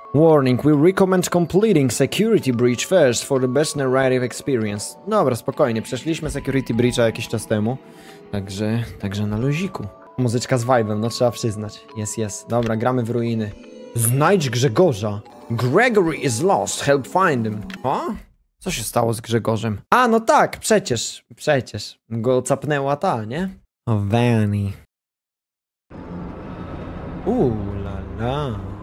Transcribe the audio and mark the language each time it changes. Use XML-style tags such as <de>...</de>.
<en>Warning, we recommend completing security breach first for the best narrative experience.</en> <pl>Dobra, spokojnie, przeszliśmy security breach'a jakiś czas temu. Także na luziku. Muzyczka z vibe'em, no trzeba przyznać. Jest, jest. Dobra, gramy w ruiny. Znajdź Grzegorza.</pl> <en>Gregory is lost, help find him. O?</en> <pl>Co się stało z Grzegorzem? A, no tak, przecież. Go capnęła ta, nie? O, Vanny. Ulala.</pl>